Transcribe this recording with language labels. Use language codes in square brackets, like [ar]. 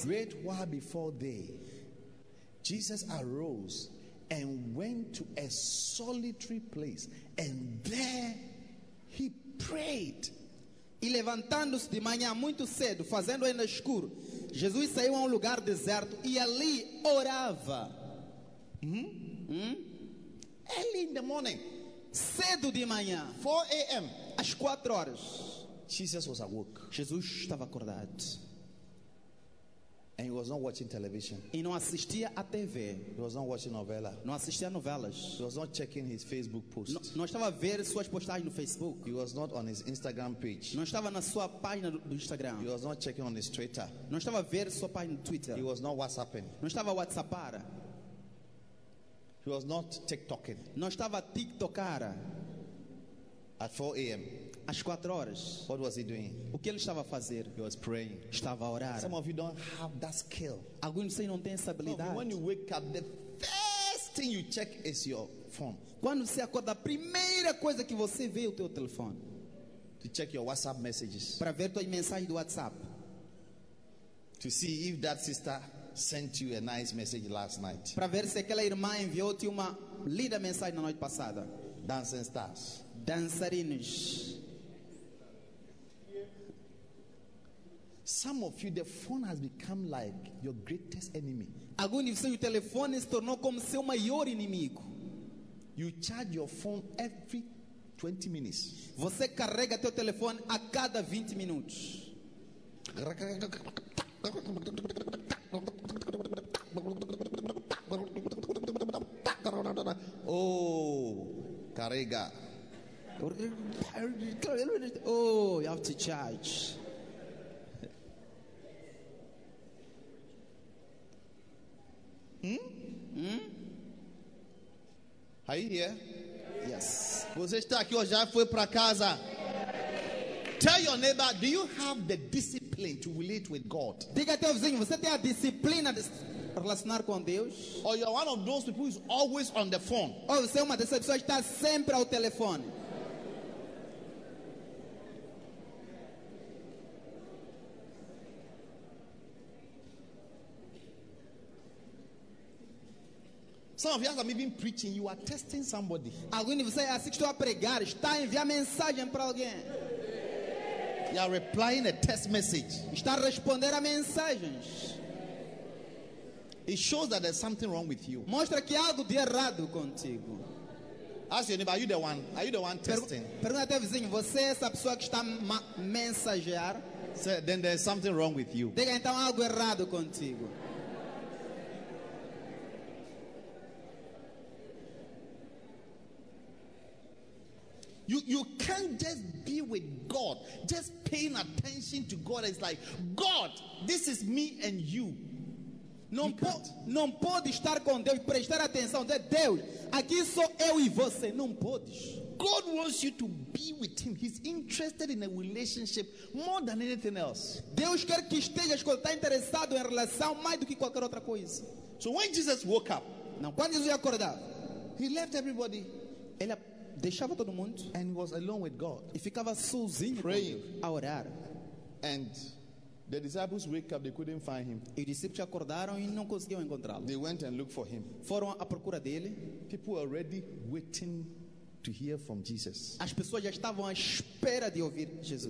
[en] A great while before day, Jesus arose and went to a solitary place, and there he prayed. [pt] E levantando-se de manhã muito cedo, fazendo ainda escuro, Jesus saiu a um lugar deserto e ali orava. [en] Early in the morning, [pt] cedo de manhã, [en] 4 a.m. [pt] às 4 horas, [en] Jesus was awake. [pt] Jesus estava acordado. [en] And he was not watching television. [pt] E não assistia a TV. [en] He was not watching novela. [pt] Não assistia novelas. [en] He was not checking his Facebook post. [pt] Não estava a ver suas postagens no Facebook. [en] He was not on his Instagram page. [pt] Não estava na sua página do Instagram. [en] He was not checking on his Twitter. [pt] Não estava a ver sua página no Twitter. [en] He was not WhatsApping. [pt] Não estava a WhatsAppar. [en] He was not TikToking. [pt] Não estava a TikTokar. [en] At 4 a.m. [pt] Às 4 horas. [en] What was he doing? [pt] O que ele estava a fazer? [en] He was praying. [pt] Estava a orar. [en] Some of you don't have that skill. [pt] Alguns de vocês não têm essa habilidade. [en] When you wake up, the first thing you check is your phone. [pt] Quando você acorda, a primeira coisa que você vê é o teu telefone. [en] To check your WhatsApp messages. [pt] Para ver tua mensagem do WhatsApp. [en] To see if that sister sent you a nice message last night. [pt] Para ver se aquela irmã enviou-te uma linda mensagem na noite passada. [en] Dancing stars. [pt] Dançarinos. [en] Some of you, the phone has become like your greatest enemy. [pt] Alguns de vocês, o telefone se tornou como seu maior inimigo. [en] You charge your phone every 20 minutes. [pt] Você carrega teu telefone a cada 20 minutos. Oh, carrega. [en] Oh, you have to charge. Are you here? Yes. [pt] Você está aqui hoje, já foi para casa. [en] Tell your neighbor, do you have the discipline to relate with God? [pt] Diga teu vizinho, você tem a disciplina de relacionar com Deus? [en] Or you are one of those people who is always on the phone? [pt] Ou você é uma dessas pessoas que está sempre ao telefone? [en] Some of you as I'm even preaching, you are testing somebody. [pt] Alguém de vocês assim que estou a pregar, está a enviar mensagem para alguém. [en] You are replying a test message. [pt] Está a responder a mensagens. [en] It shows that there's something wrong with you. [pt] Mostra que algo de errado contigo. [en] Ask your neighbor, are you the one? Are you the one testing? [pt] Pergunta ao teu vizinho, você é essa pessoa que está a mensagear? [en] So, then there's something wrong with you. [pt] Diga então algo errado contigo. [en] You can't just be with God, just paying attention to God. It's like, God, this is me and you. [pt] Não pode estar com Deus, prestar atenção. Deus, aqui sou eu e você. Não pode. [en] God wants you to be with Him. He's interested in a relationship more than anything else. [pt] Deus quer que estejas com Ele, está interessado em relação mais do que qualquer outra coisa. [en] So when Jesus woke up, [pt] não, quando Jesus acordava, [en] He left everybody. [pt] Ele deixava todo mundo, [en] and was alone with God, [pt] e ficava sozinho [en] praying, [pt] a orar. [en] And the disciples wake up, they couldn't find him. [pt] E os discípulos acordaram e não conseguiam encontrá-lo. [en] They went and looked for him. [pt] Foram à procura dele. [en] People were already waiting to hear from Jesus. [pt] As pessoas já estavam à espera de ouvir Jesus.